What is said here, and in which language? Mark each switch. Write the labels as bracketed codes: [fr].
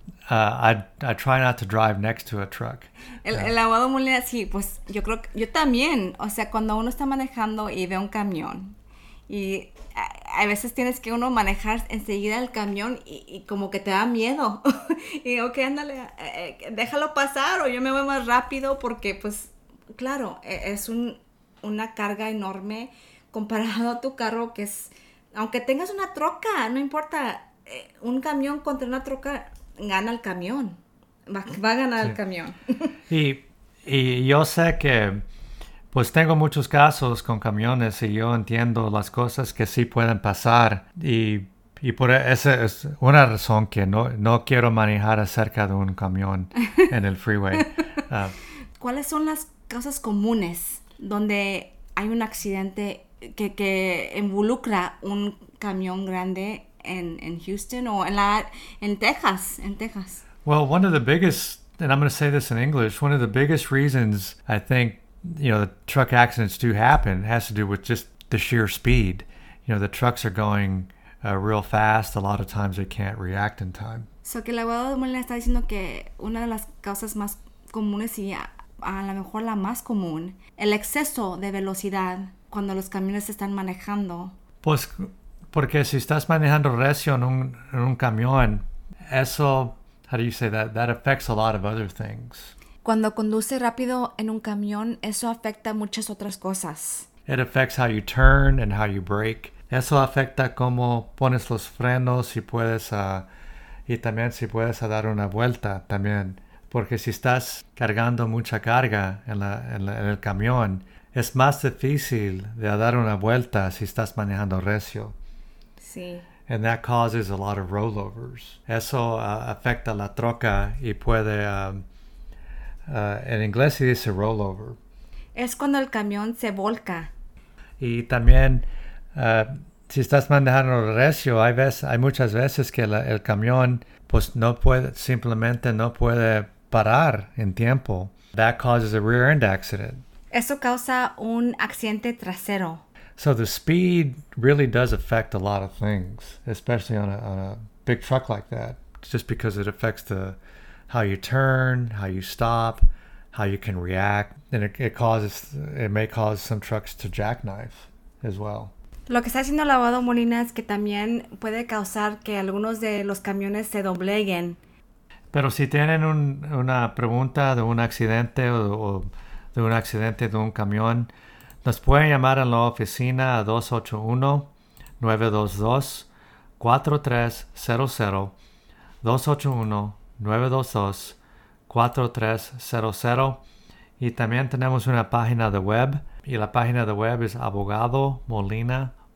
[en] I try not to drive next to a truck. [es] El abogado Molina, sí, pues yo creo que yo también. O sea, cuando uno está manejando y ve un camión y a veces tienes que uno manejar enseguida el camión y como que te da miedo. Y ok, ándale, déjalo pasar o yo me voy más rápido porque pues claro, es una carga enorme comparado a tu carro que es, aunque tengas una troca, no importa, un camión contra una troca gana el camión, va a ganar el Sí. camión. Y yo sé que pues tengo muchos casos con camiones y yo entiendo las cosas que sí pueden pasar y por esa es una razón que no quiero manejar acerca de un camión en el freeway. ¿Cuáles son las causas comunes donde hay un accidente que involucra un camión grande en Houston o en Texas? En Texas. [en] Well, one of the biggest, and I'm going to say this in English, one of the biggest reasons I think, the truck accidents do happen has to do with just the sheer speed. The trucks are going real fast. A lot of times they can't react in time. [es] So que el abogado de Molina está diciendo que una de las causas más comunes y a lo mejor la más común, el exceso de velocidad cuando los camiones se están manejando. Pues, porque si estás manejando recio en un camión, eso. [en] How do you say that? That affects a lot of other things. [es] Cuando conduce rápido en un camión, eso afecta muchas otras cosas. [en] It affects how you turn and how you brake. [es] Eso afecta cómo pones los frenos si puedes y también si puedes dar una vuelta también. Porque si estás cargando mucha carga en el camión, es más difícil de dar una vuelta si estás manejando recio. Sí. [en] And that causes a lot of rollovers. [es] Eso afecta la troca y puede, en inglés se dice rollover. Es cuando el camión se volca. Y también, si estás manejando recio, hay muchas veces que el camión, pues simplemente no puede parar en tiempo. [en] That causes a rear-end accident. [es] Eso causa un accidente trasero. [en] So the speed really does affect a lot of things, especially on a big truck like that, just because it affects the how you turn, how you stop, how you can react, and it may cause some trucks to jackknife as well. [es] Lo que está haciendo el abogado Molina es que también puede causar que algunos de los camiones se dobleguen. Pero si tienen una pregunta de un accidente o de un accidente de un camión. Nos pueden llamar en la oficina a 281-922-4300, 281-922-4300, y también tenemos una página de web, y la página de web es abogadomolina.com.